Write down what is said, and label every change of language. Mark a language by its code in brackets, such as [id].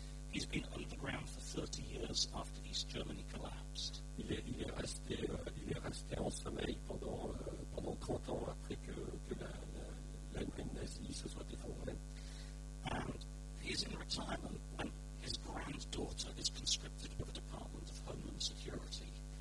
[en] He's been underground for 30 years after East Germany collapsed. [fr] Il est resté en sommeil pendant 30 ans après que l'Allemagne nazie se soit effondrée. [en] And he's in retirement when his granddaughter is conscripted by the Department of Homeland Security.